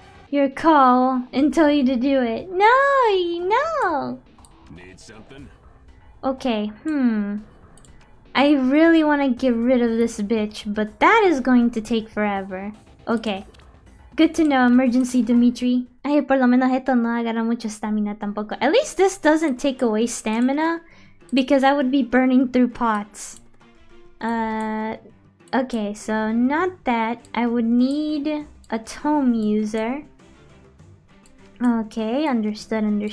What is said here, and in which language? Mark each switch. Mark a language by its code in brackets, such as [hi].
[en] Your call and tell you to do it. No! Need something? Okay, I really want to get rid of this bitch, but that is going to take forever. Okay. Good to know, emergency Dimitri. [es] Ay, por lo menos esto no agarra mucho stamina tampoco. [en] At least this doesn't take away stamina, because I would be burning through pots. Okay, so not that. I would need a tome user. Okay, understood.